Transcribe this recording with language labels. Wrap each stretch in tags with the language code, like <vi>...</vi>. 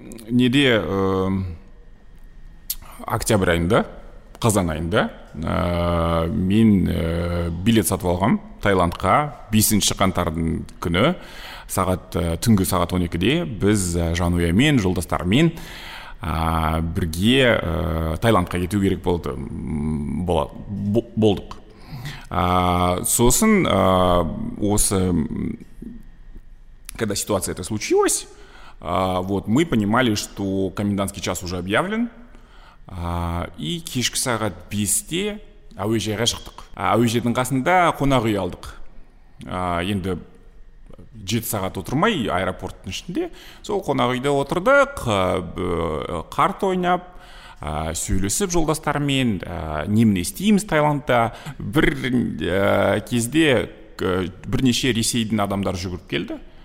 <kk>Неде октябрь айында, қазан айында мен билет сатып алғам Таиландқа 5 қаңтардың күні түнгі сағат 12-де біз жануямен, жолдастармен бірге Таиландқа кету керек болды, болдық. Сосын осы</kk> <ru>когда ситуация это случилась, мы понимали, что комендантский час уже объявлен, и</ru> <kk>кешкі сағат 5-те әуежайға шықтық. Әуежайдың қасында қонақ үй алдық. Енді 7 сағат отырмай аэропорттың ішінде, сол қонақ үйде отырдық, қарт ойнап, сөйлесіп жолдастармен, немене істейміз Таиландта. Бір кезде бірнеше ресейдің адамдары жүгіріп келді.</kk>